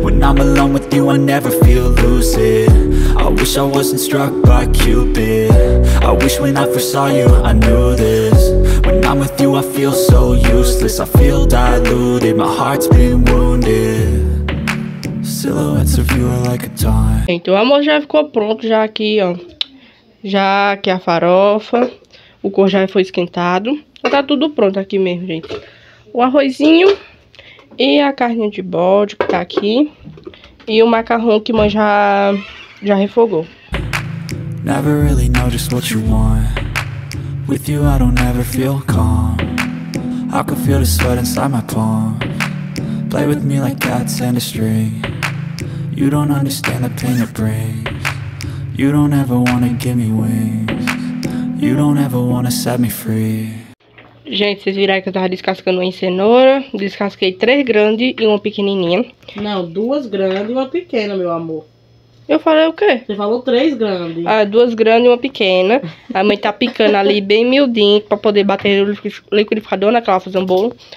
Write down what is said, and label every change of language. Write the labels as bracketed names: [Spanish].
[English] When I'm alone with you, I never feel lucid. I wish I wasn't struck by Cupid. I wish when I first saw you, I knew this. When I'm with you, I feel so useless. I feel diluted, my heart's been wounded. Silhouettes of you are like a time. [Portuguese] Então o amor já ficou pronto já aqui, ó. Já que a farofa, o cor já foi esquentado. Tá tudo pronto aqui mesmo, gente. O arrozinho e a carne de bode que tá aqui. E o macarrão que mãe já refogou. [English] Never really know just what you want. With you I don't ever feel calm. I can feel the sweat inside my palm. Play with me like cats and a string. You don't understand the pain it brings. You don't ever wanna give me wings. You don't ever wanna set me free. [Portuguese] Gente, vocês viram que eu tava descascando uma cenoura. Descasquei 3 grandes e uma pequenininha. Não, 2 grandes e uma pequena, meu amor. Eu falei o quê? Você falou 3 grandes. Ah, 2 grandes e uma pequena. A mãe tá picando ali bem miudinho pra poder bater no liquidificador naquela fazer um bolo.